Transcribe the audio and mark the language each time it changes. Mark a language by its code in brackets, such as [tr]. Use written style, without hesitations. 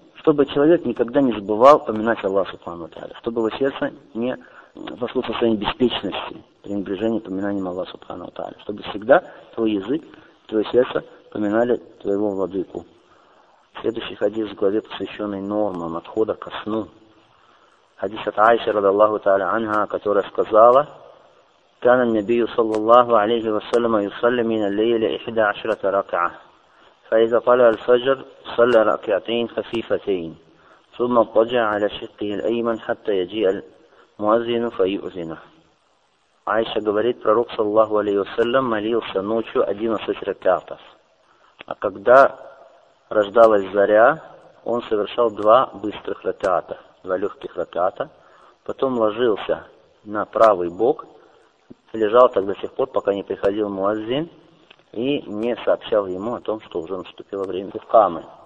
[ru] Чтобы человек никогда не забывал поминать Аллаха субхану тааля, чтобы его сердце не вошло в состояние беспечности, пренебрежения поминанием Аллаха субхану тааля, чтобы всегда твой язык, твое сердце поминали твоего владыку. Следующий хадис в главе, посвященный нормам отхода ко сну. Хадис от Аиши радиаллаху тааля анха, которая сказала: [ar] «Кана ан-набию саллаллаху алейхи ва саллям йусалли мин ал-лейли 11 ракъа». فإذا طلع الفجر صلى ركعتين خفيفتين ثم اضطجع على شقه الأيمن حتى يجيء المؤذن فيؤذنه. [ru] عائشة говорит, пророк саллаллаху алейхи ва саллям молился ночью 11 ракатов, а когда рождалась заря, он совершал два быстрых раката, два легких раката, потом ложился на правый бок, лежал так до сих пор, пока не приходил муаззин и не сообщал ему о том, что уже наступило время Кухамы.